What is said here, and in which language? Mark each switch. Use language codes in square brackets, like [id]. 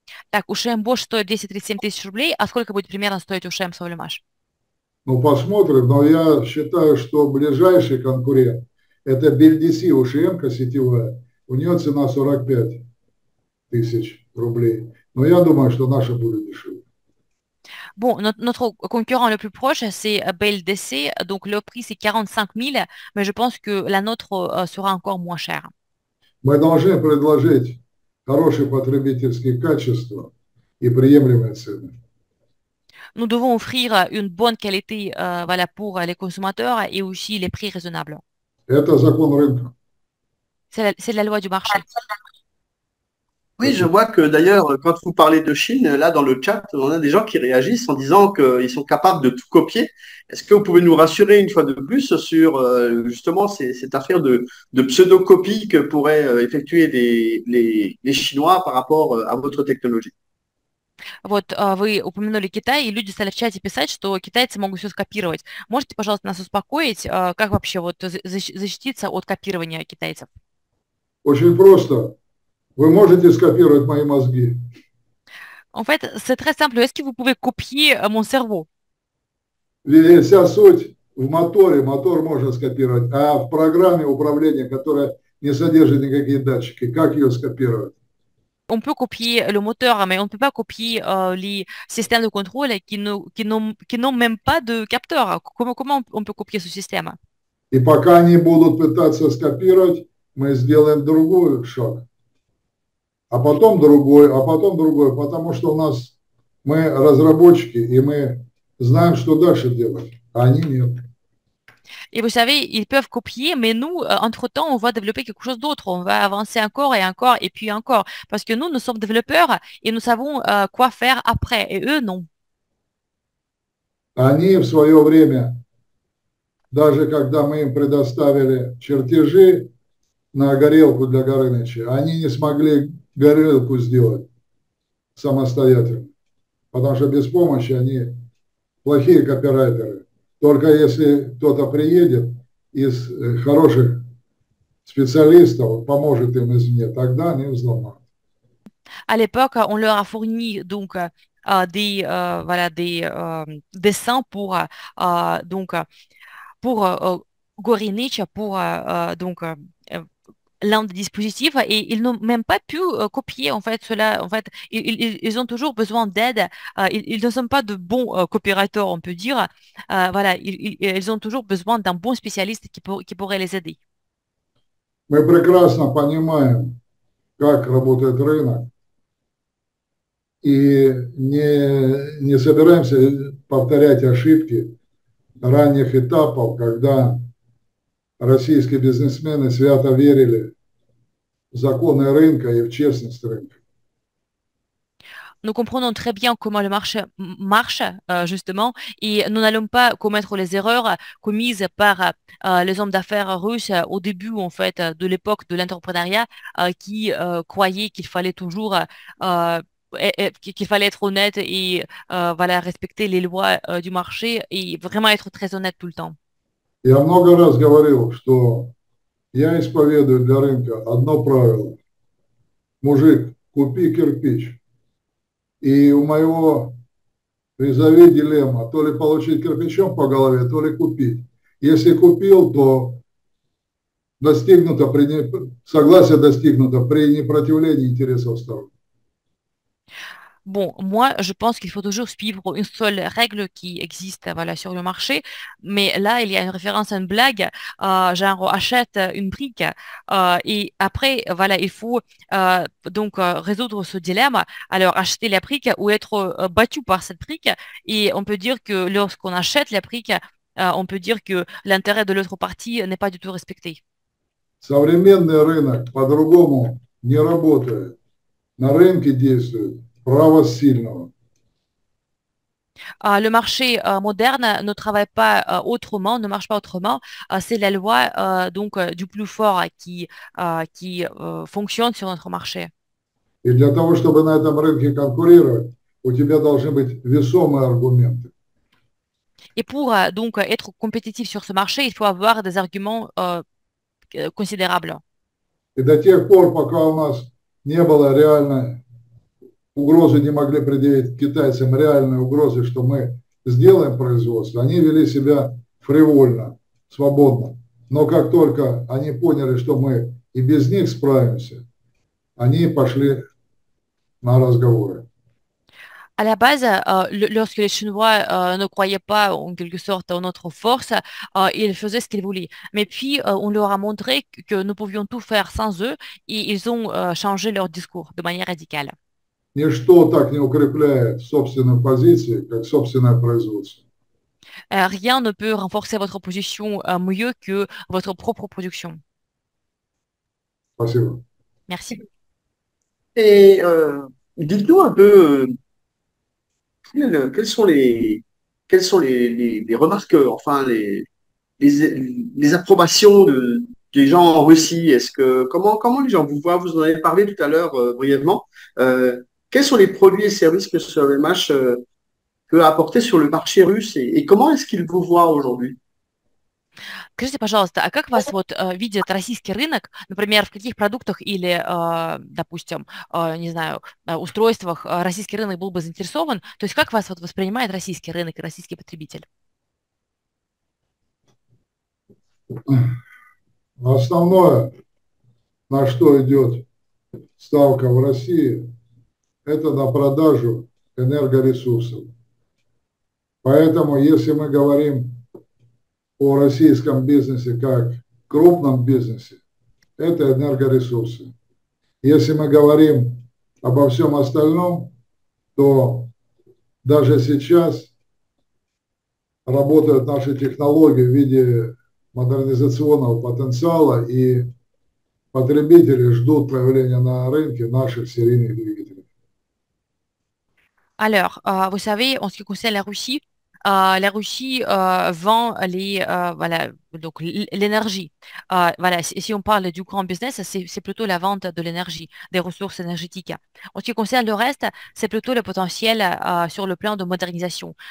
[ru] Так, ушем Bosch стоит 237 тысяч рублей, а сколько будет примерно стоить ушем Совельмаш? Ну, посмотрим, но я считаю, что ближайший конкурент – это BLDC, ушемка сетевая. У нее цена 45 тысяч рублей. Но я думаю, что наша будет дешевле. [fr] Bon, notre concurrent le плus proche, c'est BLDC. Donc, le prix, c'est 45 000, mais je pense que la nôtre sera encore moins chère. [ru] Мы должны предложить хорошие потребительские качества и приемлемые цены. [fr] Nous devons offrir une bonne qualité voilà, pour les consommateurs et aussi les prix raisonnables. [ru] Это закон рынка. [fr] C'est la loi du marché. Oui, je vois que d'ailleurs, quand vous parlez de Chine, là dans le chat, on a des gens qui réagissent en disant qu'ils sont capables de tout copier. Est-ce que vous pouvez nous rassurer une fois de plus sur justement cette affaire de pseudo-copie que pourraient effectuer les Chinois par rapport à votre technologie? [ru] Вот вы упомянули Китай, и люди стали в чате писать, что китайцы могут все скопировать. Можете, пожалуйста, нас успокоить? Как вообще вот защититься от копирования китайцев? Очень просто. Вы можете скопировать мои мозги? [fr] En fait, c'est très simple. Est-ce que вous pouvez copier mon cerveau? [ru] Ведь вся суть в моторе. Мотор можно скопировать. А в программе управления, которая не содержит никакие датчики, как ее скопировать? [fr] On peut copier le moteur, mais on ne peut pas copier les systèmes de contrôle qui n'ont même pas de capteur. Comment on peut copier ce système? [ru] И пока они будут пытаться скопировать, мы сделаем другой шаг, а потом другой, потому что у нас мы разработчики, и мы знаем, что дальше делать, а они нет. [fr] Et vous savez, ils peuvent copier, mais nous, entre-temps, on va développer quelque chose d'autre. On va avancer encore et encore et puis encore. Parce que nous sommes développeurs et nous savons, quoi faire après. Et eux, non. [ru] Они в свое время, даже когда мы им предоставили чертежи на горелку для Горыныча, они не смогли горелку сделать самостоятельно. Потому что без помощи они плохие копирайтеры. Только если кто-то приедет из хороших специалистов, поможет им извне, тогда они взломают. [fr] À l'époque, on leur a fourni donc des voilà des dessins pour donc pour Gorinich pour donc l'un des dispositifs et ils n'ont même pas pu copier en fait cela en fait ils ont toujours besoin d'aide ils ne sont pas de bons coopérateurs on peut dire voilà ils ont toujours besoin d'un bon spécialiste qui pourrait les aider. [ru] Мы прекрасно понимаем, как работает рынок, и не собираемся повторять ошибки ранних этапов, когда российские бизнесмены свято верили в законы рынка и в честность рынка. [fr] Nous comprenons très bien comment le marché marche, justement, et nous n'allons pas commettre les erreurs commises par les hommes d'affaires russes au début, en fait, de l'époque de l'entrepreneuriat, qui croyaient qu'il fallait toujours qu'il fallait être honnête et voilà, respecter les lois du marché et vraiment être très honnête tout le temps. [ru] Я много раз говорил, что я исповедую для рынка одно правило. Мужик, купи кирпич. И у моего призови дилемма, то ли получить кирпичом по голове, то ли купить. Если купил, то достигнуто при не... согласие достигнуто при непротивлении интересов сторон. [fr] Bon, moi, je pense qu'il faut toujours suivre une seule règle qui existe, voilà, sur le marché. Mais là, il y a une référence à une blague, genre, achète une brique. Et après, voilà, il faut donc résoudre ce dilemme. Alors, acheter la brique ou être battu par cette brique. Et on peut dire que lorsqu'on achète la brique, on peut dire que l'intérêt de l'autre partie n'est pas du tout respecté. [ru] Современный рынок по-другому не работает. На рынке действует право сильного. [fr] Le marché moderne ne travaille pas autrement, ne marche pas autrement. C'est la loi donc du plus fort qui fonctionne sur notre marché. [ru] И для того, чтобы на этом рынке конкурировать, у тебя должны быть весомые аргументы. [fr] Et pour donc être compétitif sur ce marché, il faut avoir des arguments considérables. [ru] И до тех пор, пока у нас не было реальной угрозы, не могли предъявить китайцам реальной угрозы, что мы сделаем производство, они вели себя фривольно, свободно. Но как только они поняли, что мы и без них справимся, они пошли на разговоры. [fr] À la base, lorsque les Chinois ne croyaient pas en quelque sorte en notre force, ils faisaient ce qu'ils voulaient. Mais puis, on leur a montré que nous pouvions tout faire sans eux et ils ont changé leur discours de manière radicale. [ru] Ничто так не укрепляет собственную позицию, как собственное производство. [fr] Rien ne peut renforcer votre position mieux que votre propre production. [ru] Спасибо. [fr] Merci. Et dites-nous un peu, quelles sont les remarques, enfin les approbations des gens en Russie? Est-ce que comment les gens vous voient? Vous en avez parlé tout à l'heure brièvement. Quels sont les produits et services que ce LMH peut apporter sur le marché russe et comment est-ce qu'il vous voit aujourd'hui? [ru] Скажите, пожалуйста, а как вас вот видит российский рынок, например, в каких продуктах или, допустим, не знаю, устройствах российский рынок был бы заинтересован? То есть как вас вот воспринимает российский рынок и российский потребитель? Основное, на что идет ставка в России, это на продажу энергоресурсов. Поэтому, если мы говорим о российском бизнесе как крупном бизнесе, это энергоресурсы. Если мы говорим обо всем остальном, то даже сейчас работают наши технологии в виде модернизационного потенциала, и потребители ждут появления на рынке наших серийных двигателей. [fr] Alors, vous savez, en ce qui concerne la Russie vend les voilà donc l'énergie. Voilà, si on parle du grand business, c'est plutôt la vente de l'énergie, des ressources énergétiques. En ce qui concerne le reste, c'est plutôt le potentiel sur le plan de modernisation.